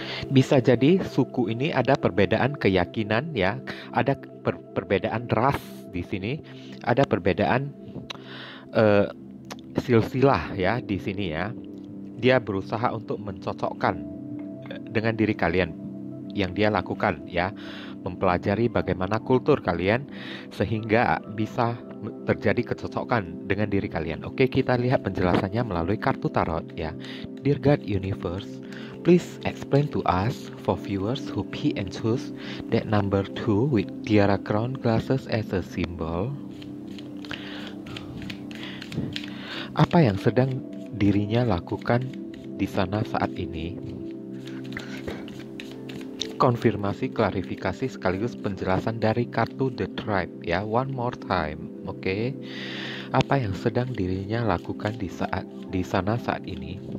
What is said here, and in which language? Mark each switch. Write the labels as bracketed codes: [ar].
[id] Bisa jadi suku ini ada perbedaan keyakinan ya, ada perbedaan ras di sini, ada perbedaan silsilah ya di sini ya. Dia berusaha untuk mencocokkan dengan diri kalian yang dia lakukan ya, mempelajari bagaimana kultur kalian sehingga bisa terjadi kecocokan dengan diri kalian. Oke, kita lihat penjelasannya melalui kartu tarot ya. [en] Dear God Universe, please explain to us for viewers who pick and choose that number 2 with tiara crown glasses as a symbol. [id] Apa yang sedang dirinya lakukan di sana saat ini? Konfirmasi, klarifikasi sekaligus penjelasan dari kartu The Tribe ya, [en] one more time. [id] Oke. Apa yang sedang dirinya lakukan di sana saat ini?